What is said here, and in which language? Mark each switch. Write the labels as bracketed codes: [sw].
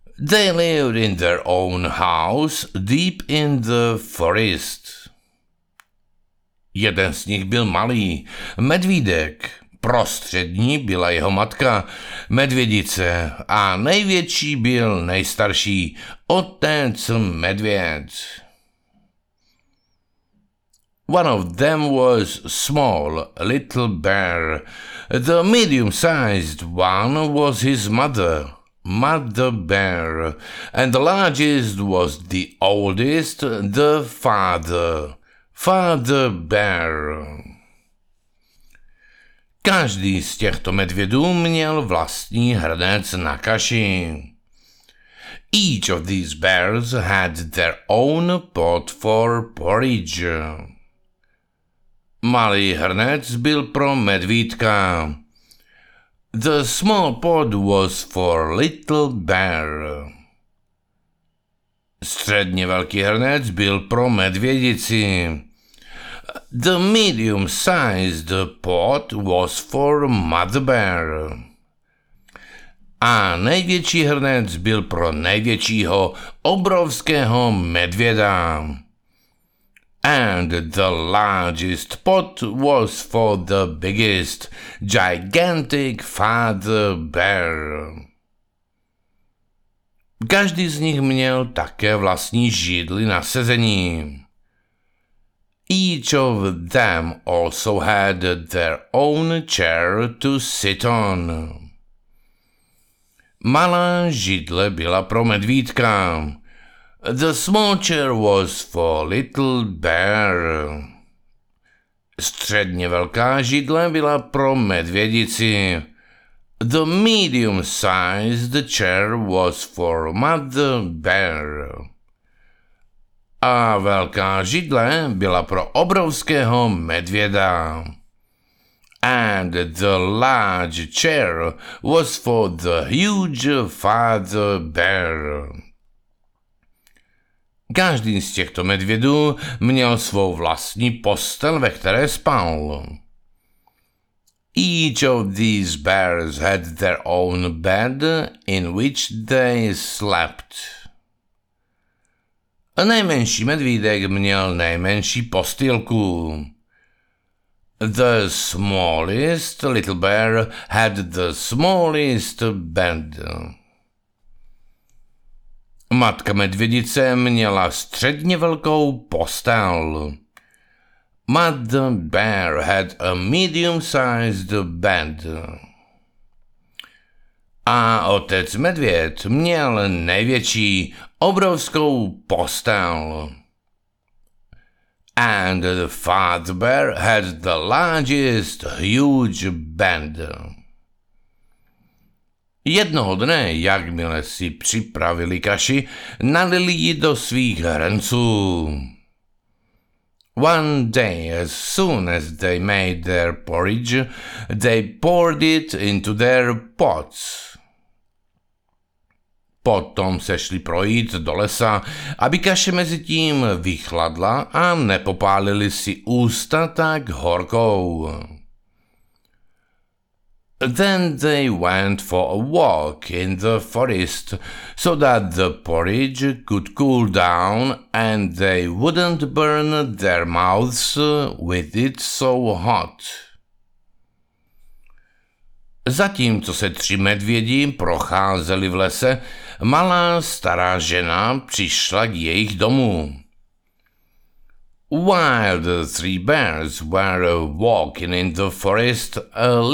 [en] They lived in their own house deep in the forest. [cs] Jeden z nich byl malý, medvídek. Prostřední byla jeho matka, medvědice, a největší byl nejstarší, otec medvěd. [en] One of them was small, little bear. The medium-sized one was his mother, mother bear. And the largest was the oldest, the father, father bear. [cs] Každý z těchto medvědů měl vlastní hrnec na kaši. [en] Each of these bears had their own pot for porridge. [cs] Malý hrnec byl pro medvídka. [en] The small pot was for little bear. [cs] Středně velký hrnec byl pro medvědici. [en] The medium-sized pot was for mother bear. [cs] A největší hrnec byl pro největšího obrovského medvěda. [en] And the largest pot was for the biggest, gigantic father bear. [cs] Každý z nich měl také vlastní židli na sezení. [en] Each of them also had their own chair to sit on. [cs] Malá židle byla pro medvídka. [en] The small chair was for little bear. [cs] Středně velká židle byla pro medvědici. [en] The medium-sized chair was for mother bear. [cs] A velká židle byla pro obrovského medvěda. [en] And the large chair was for the huge father bear. [cs] Každý z těchto medvědů měl svou vlastní postel, ve které spal. [en] Each of these bears had their own bed in which they slept. [cs] Nejmenší medvídek měl nejmenší postýlku. [en] The smallest little bear had the smallest bed. [cs] Matka medvědice měla středně velkou postel. [en] Mother bear had a medium-sized bed. [cs] A otec medvěd měl největší obrovskou postel. [en] And the father bear had the largest huge bed. [cs] Jednoho dne, jakmile si připravili kaši, nalili ji do svých hrnců. [en] One day, as soon as they made their porridge, they poured it into their pots. [cs] Potom se šli projít do lesa, aby kaše mezi tím vychladla a nepopálili si ústa tak horkou. [en] Then they went for a walk in the forest so that the porridge could cool down and they wouldn't burn their mouths with it so hot. [cs] Zatímco se tři medvědi procházeli v lese, malá stará žena přišla k jejich domu. [en] While the three bears were walking in the forest, a little